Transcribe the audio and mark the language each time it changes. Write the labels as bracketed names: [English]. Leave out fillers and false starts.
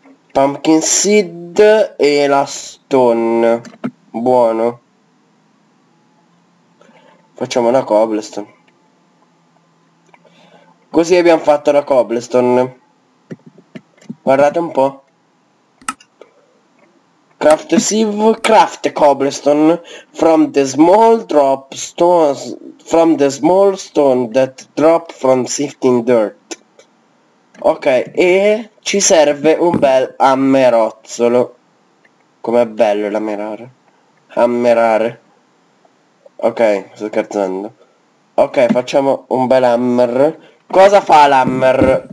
[Italian] Pumpkin seed e la stone. Buono. Facciamo una cobblestone. Così abbiamo fatto la cobblestone. Guardate un po'. [English] Craft sieve, craft cobblestone from the small drop stones, from the small stone that drop from sifting dirt. [Italian] Ok, e ci serve un bel ammerozzolo. Com'è bello l'ammerare. Ammerare. Ok, sto scherzando. Ok, facciamo un bel hammer. Cosa fa l'hammer?